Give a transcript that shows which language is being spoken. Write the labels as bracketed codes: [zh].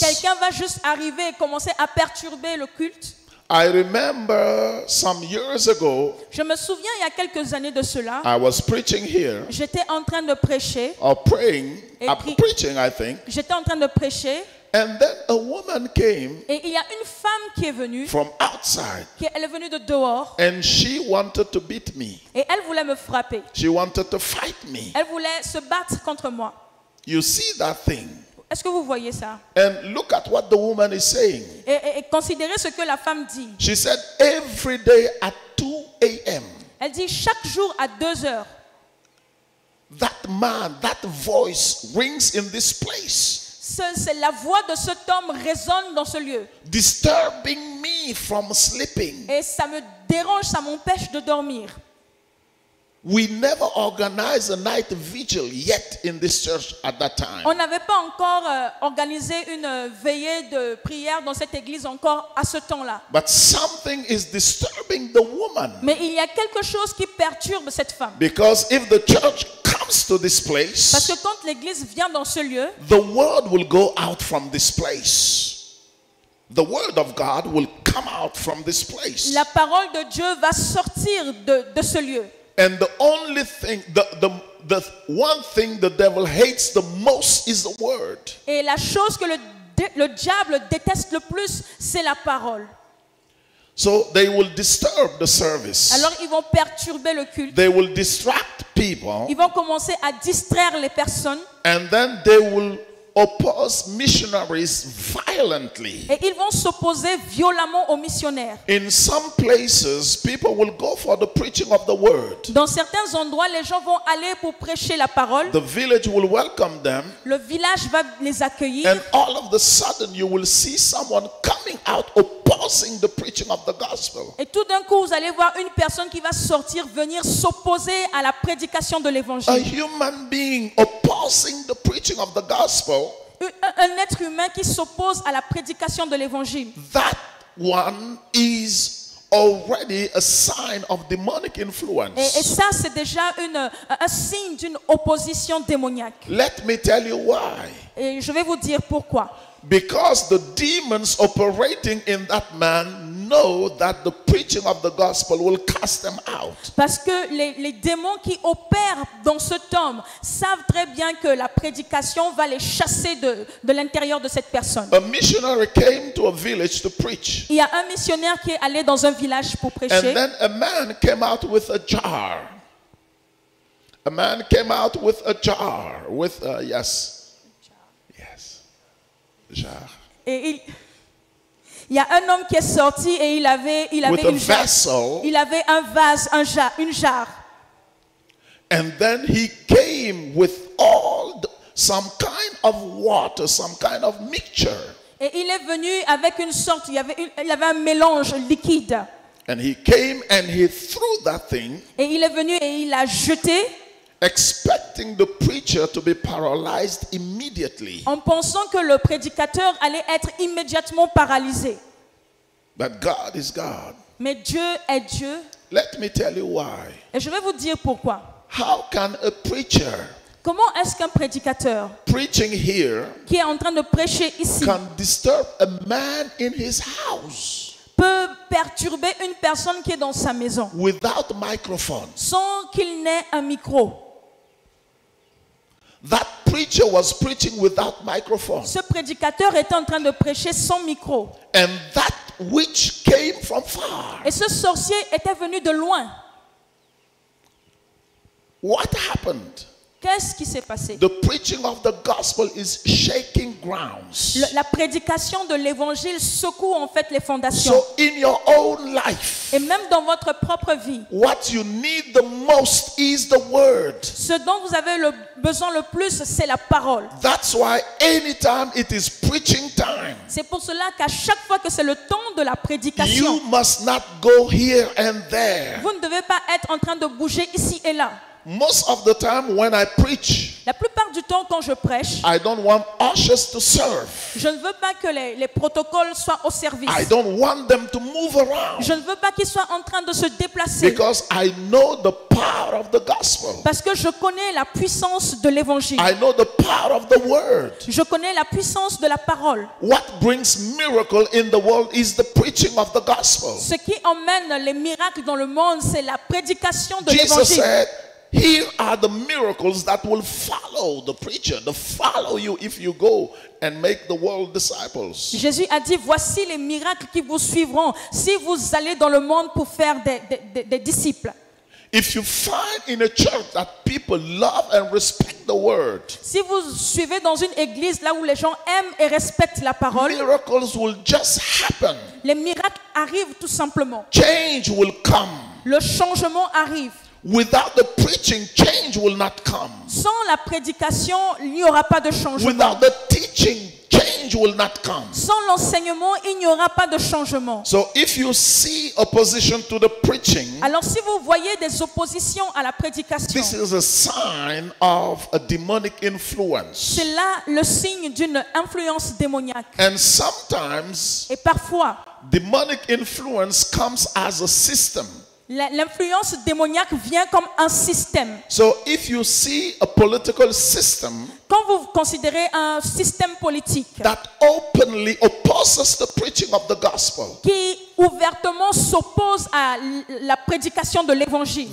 [fr] Quelqu'un va juste arriver et commencer à perturber le culte. [en] I remember some years ago. [fr] Je me souviens il y a quelques années de cela. [en] I was preaching here. [fr] J'étais en train de prêcher. [en] Or praying. Preaching, I think. [fr] J'étais en train de prêcher. [en] And then a woman came. [fr] Et il y a une femme qui est venue. [en] From outside. [fr] Elle est venue de dehors. [en] And she wanted to beat me. [fr] Et elle voulait me frapper. [en] She wanted to fight me. [fr] Elle voulait se battre contre moi. [en] You see that thing? [fr] Est-ce que vous voyez ça? [en] And look at what the woman is saying. [fr] Et considérez ce que la femme dit. [en] She said every day at 2 a.m. [fr] Elle dit chaque jour à 2 heures. [en] That man, that voice rings in this place. [fr] C'est la voix de cet homme résonne dans ce lieu. [en] Disturbing me from sleeping. [fr] Et ça me dérange, ça m'empêche de dormir. [en] We never organized a night vigil yet in this church at that time. [fr] On n'avait pas encore organisé une veillée de prière dans cette église encore à ce temps-là. [en] But something is disturbing the woman. [fr] Mais il y a quelque chose qui perturbe cette femme. [en] Because if the church comes to this place, [fr] parce que quand l'église vient dans ce lieu, [en] the word will go out from this place. The word of God will come out from this place. [fr] La parole de Dieu va sortir de ce lieu. [en] And the only thing, the one thing the devil hates the most is the word. [fr] Et la chose que le diable déteste le plus, c'est la parole. [en] So they will disturb the service. [fr] Alors ils vont perturber le culte. [en] They will distract people. [fr] Ils vont commencer à distraire les personnes. [en] And then they will oppose missionaries violently. [fr] Et ils vont s'opposer violemment aux missionnaires. [en] In some places, people will go for the preaching of the word. [fr] Dans certains endroits, les gens vont aller pour prêcher la parole. [en] The village will welcome them. [fr] Le village va les accueillir. [en] And all of a sudden, you will see someone coming out opposing the preaching of the gospel. [fr] Et tout d'un coup, vous allez voir une personne qui va sortir venir s'opposer à la prédication de l'évangile. [en] A human being opposing the preaching of the gospel. [fr] Un être humain qui s'oppose à la prédication de l'évangile. [en] That one is already a sign of demonic influence. [fr] Et ça, c'est déjà un signe d'une opposition démoniaque. [en] Let me tell you why. [fr] Et je vais vous dire pourquoi. [en] Because the demons operating in that man know that the preaching of the gospel will cast them out. [fr] Parce que les démons qui opèrent dans cet homme savent très bien que la prédication va les chasser de l'intérieur de cette personne. [en] A missionary came to a village to preach. [fr] Il y a un missionnaire qui est allé dans un village pour prêcher. [en] And then a man came out with a jar. A man came out with a jar with a yes. Yes. Jar. [fr] Et il y a un homme qui est sorti et il avait une jarre. Il avait un vase, une jarre. [en] And then he came with all some kind of water, some kind of mixture. [fr] Et il est venu avec une sorte, il avait un mélange liquide. [en] And he came and he threw that thing. [fr] Et il est venu et il l'a jeté. [en] Expecting the preacher to be paralyzed immediately. [fr] En pensant que le prédicateur allait être immédiatement paralysé. [en] But God is God. [fr] Mais Dieu est Dieu. [en] Let me tell you why. [fr] Et je vais vous dire pourquoi. [en] How can a preacher, [fr] comment est-ce qu'un prédicateur, [en] preaching here, [fr] qui est en train de prêcher ici, [en] can disturb a man in his house, [fr] peut perturber une personne qui est dans sa maison, [en] without microphone, [fr] sans qu'il n'ait un micro? [en] That preacher was preaching without microphone. [fr] Ce prédicateur était en train de prêcher sans micro. [en] And that witch came from far. [fr] Et ce sorcier était venu de loin. [en] What happened? [fr] Qu'est-ce qui s'est passé? [en] The preaching of the gospel is shaking grounds. [fr] La prédication de l'évangile secoue en fait les fondations. [en] So in your own life, [fr] et même dans votre propre vie, [en] what you need the most is the word. [fr] Ce dont vous avez le besoin le plus, c'est la parole. [en] That's why anytime it is preaching time, [fr] c'est pour cela qu'à chaque fois que c'est le temps de la prédication, [en] you must not go here and there. [fr] Vous ne devez pas être en train de bouger ici et là. [en] Most of the time when I preach, [fr] la plupart du temps quand je prêche, [en] I don't want ushers to serve. [fr] Je ne veux pas que les protocoles soient au service. [en] I don't want them to move around. [fr] Je ne veux pas qu'ils soient en train de se déplacer. [en] Because I know the power of the gospel. [fr] Parce que je connais la puissance de l'évangile. [en] I know the power of the word. [fr] Je connais la puissance de la parole. [en] What brings miracle in the world is the preaching of the gospel. [fr] Ce qui emmène les miracles dans le monde, c'est la prédication de [en] Jesus [fr] l'évangile. [en] Said, here are the miracles that will follow the preacher, to follow you if you go and make the world disciples. [fr] Jésus a dit, voici les miracles qui vous suivront si vous allez dans le monde pour faire des disciples. [en] If you find in a church that people love and respect the word, [fr] si vous suivez dans une église là où les gens aiment et respectent la parole, [en] miracles will just happen. [fr] Les miracles arrivent tout simplement. [en] Change will come. [fr] Le changement arrive. [en] Without the preaching, change will not come. [fr] Sans la prédication, il n'y aura pas de changement. [en] Without the teaching, change will not come. [fr] Sans l'enseignement, il n'y aura pas de changement. [en] So if you see opposition to the preaching, [fr] alors si vous voyez des oppositions à la prédication, [en] this is a sign of a demonic influence. [fr] C'est là le signe d'une influence démoniaque. [en] And sometimes, [fr] et parfois, [en] demonic influence comes as a system. [fr] L'influence démoniaque vient comme un système. [en] So if you see a political system, [fr] quand vous considérez un système politique [en] that openly opposes the preaching of the gospel, [fr] qui ouvertement s'oppose à la prédication de l'évangile,